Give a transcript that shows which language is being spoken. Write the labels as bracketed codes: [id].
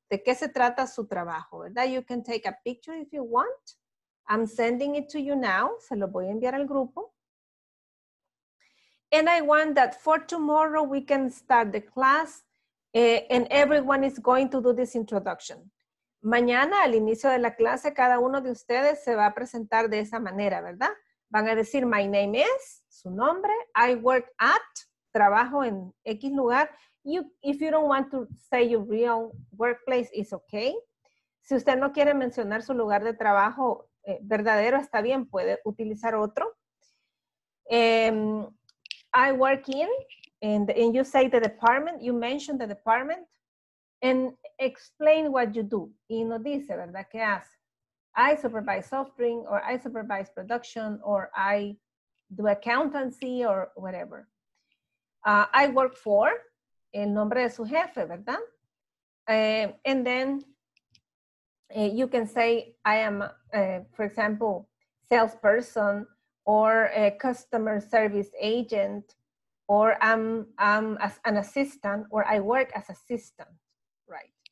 [es] ¿De qué se trata su trabajo? ¿Verdad? [en] You can take a picture if you want. I'm sending it to you now. [es] Se lo voy a enviar al grupo. [en] And I want that for tomorrow we can start the class and everyone is going to do this introduction. [es] Mañana, al inicio de la clase, cada uno de ustedes se va a presentar de esa manera, ¿verdad? Van a decir, [en] my name is, [es] su nombre, [en] I work at, [es] trabajo en X lugar. [en] You, if you don't want to say your real workplace, it's okay. [es] Si usted no quiere mencionar su lugar de trabajo verdadero, está bien, puede utilizar otro. [en] I work in, and you say the department, you mention the department, and explain what you do. [es] Y nos dice, ¿verdad? ¿Qué hace? [en] I supervise soft drink, or I supervise production, or I do accountancy, or whatever. I work for, [es] el nombre de su jefe, ¿verdad? [en] And then you can say, I am, for example, salesperson, or a customer service agent, or I'm as an assistant, or I work as assistant, right?